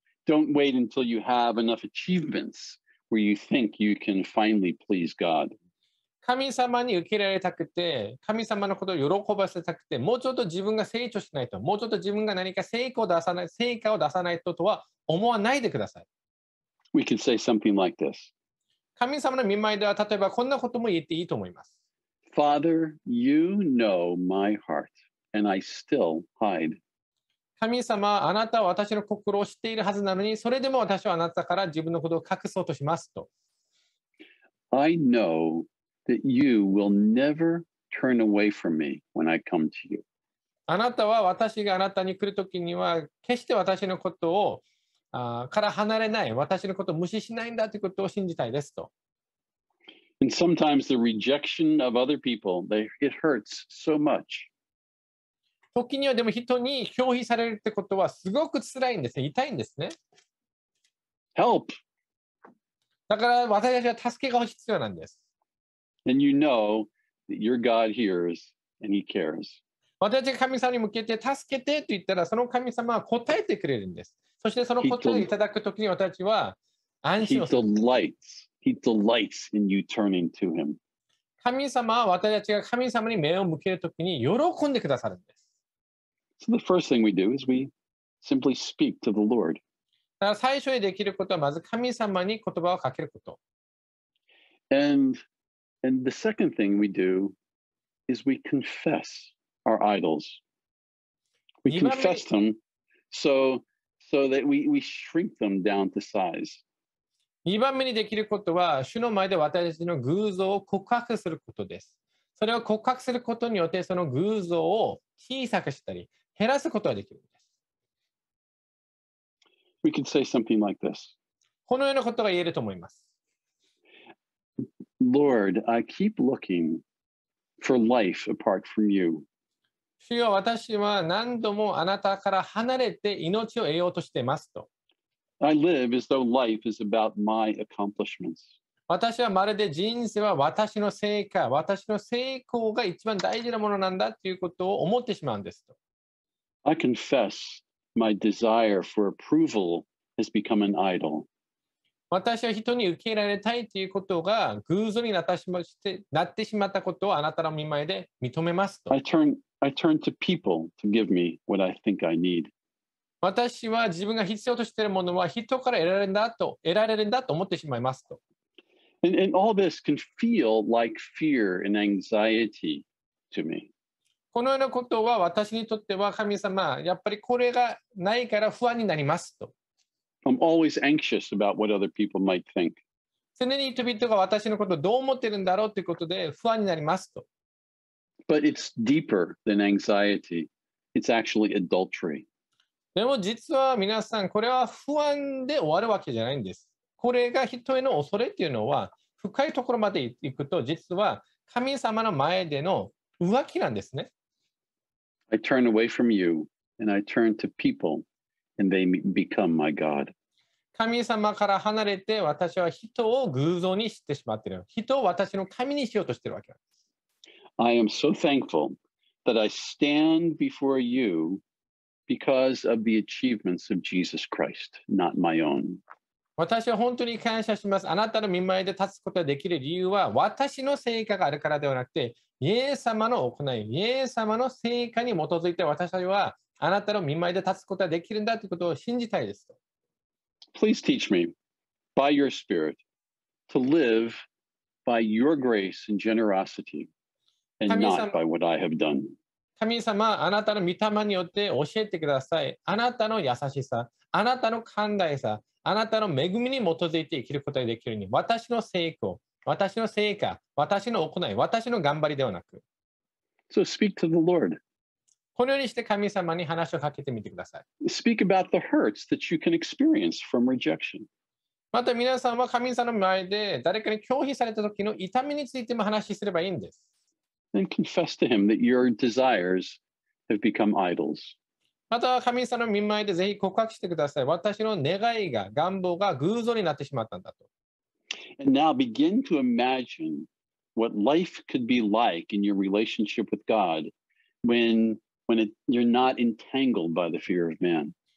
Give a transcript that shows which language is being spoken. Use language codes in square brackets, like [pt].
[en] Don't wait until you have enough achievements where you think you can finally please God. [ja] 神様に受け入れられたくて、神様のことを喜ばせたくて、もうちょっと自分が成長しないと、もうちょっと自分が何か成果を出さないととは思わないでください。 [en] We can say something like this. [ja] 神様の御前では例えばこんなことも言っていいと思います。 [en] Father, you know my heart, and I still hide. [ja] 神様、あなたは私の心を知っているはずなのに、それでも私はあなたから自分のことを隠そうとしますと。 [en] I know that you will never turn away from me when I come to you. [ja] あなたは私があなたに来るときには、決して私のことをから離れない、私のことを無視しないんだということを信じたいですと。 [en] And sometimes the rejection of other people, it hurts so much. [ja] 時にはでも人に拒否されるってことはすごく辛いんですね、痛いんですね。 [en] Help! [ja] だから私たちは助けが欲しい必要なんです。 [en] And you know that your God hears and he cares. [ja] 私たちが神様に向けて助けてと言ったら、その神様は答えてくれるんです。そしてその答えをいただくときに私たちは安心をする。 [en] He delights in you turning to him. [ja] 神様は私たちが神様に目を向けるときに喜んでくださるんです。 [en] So the first thing we do is we simply speak to the Lord. [ja] だから最初にできることはまず神様に言葉をかけること。 [en] And the second thing we do is we confess our idols. We confess them so that we shrink them down to size. [ja] 2番目にできることは、主の前で私たちの偶像を告白することです。それを告白することによって、その偶像を小さくしたり、減らすことができるんです。 [en] We could say something like this. [ja] このようなことが言えると思います。 [en] Lord, I keep looking for life apart from you. [ja] 主よ、私は何度もあなたから離れて命を得ようとしていますと。 [en] I live as though life is about my accomplishments. [ja] 私はまるで人生は私の成果、私の成功が一番大事なものなんだということを思ってしまうんですと。 [en] I confess my desire for approval has become an idol. [ja] 私は人に受け入れられたいということが偶像になってしまったことをあなたの御前で認めますと。 [en] I turn to people to give me what I think I need. [ja] 私は自分が必要としているものは人から得られるんだと思ってしまいますと。 [en] And all this can feel like fear and anxiety to me. [ja] このようなことは私にとっては神様、やっぱりこれがないから不安になりますと。 [en] I'm always anxious about what other people might think. [ja] 常に人々が私のことをどう思っているんだろうということで不安になりますと。 [en] But it's deeper than anxiety. It's actually adultery. [ja] でも実は皆さん、これは不安で終わるわけじゃないんです。これが人への恐れっていうのは、深いところまで行くと、実は神様の前での浮気なんですね。 [en] I turn away from you, and I turn to people, and they become my God. [ja] 神様から離れて、私は人を偶像にしてしまっている。人を私の神にしようとしているわけなんです。 [en] I am so thankful that I stand before you because of the achievements of Jesus Christ, not my own. [ja] 私は本当に感謝します。あなたの御前で立つことができる理由は私の成果があるからではなくて、イエス様の行い、イエス様の成果に基づいて私たちはあなたの御前で立つことができるんだということを信じたいですと。 [en] Please teach me by your spirit to live by your grace and generosity and not by what I have done. [ja] 神様、あなたの御霊によって教えてください。あなたの優しさ、あなたの寛大さ、あなたの恵みに基づいて生きることができるように、私の成功、私の成果、私の行い、私の頑張りではなく。 [en] So speak to the Lord. [ja] このようにして神様に話をかけてみてください。 [en] Speak about the hurts that you can experience from rejection. [ja] また皆さんは神様の前で誰かに拒否された時の痛みについても話しすればいいんです。 [en] And confess to him that your desires have become idols. [ja] または神様の御前でぜひ告白してください。私の願いが、願望が偶像になってしまったんだと。 [en] And now begin to imagine what life could be like in your relationship with God when you're not entangled by the fear of man.